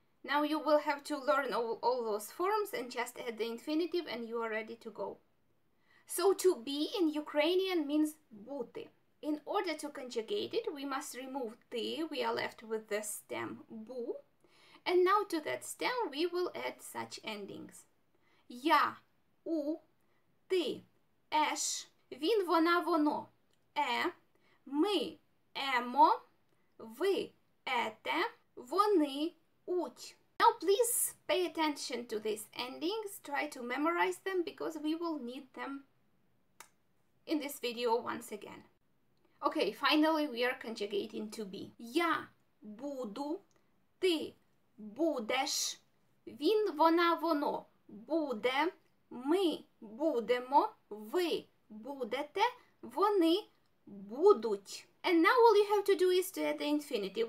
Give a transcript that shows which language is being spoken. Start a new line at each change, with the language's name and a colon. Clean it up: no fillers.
English: Now you will have to learn all those forms and just add the infinitive and you are ready to go. So to be in Ukrainian means бути. In order to conjugate it, we must remove ти, we are left with the stem бу. And now to that stem, we will add such endings.
Ukrainian: Я, у, ти. Еш, він, вона, воно, е, ми, емо, ви, ете, вони, уть.
English: Now please pay attention to these endings, try to memorize them because we will need them in this video once again. Okay, finally we are conjugating to be.
Ukrainian: Я буду, ти будеш, він, вона, воно, буде, ми будемо, ви будете, вони будуть.
English: And now all you have to do is to add the infinitive.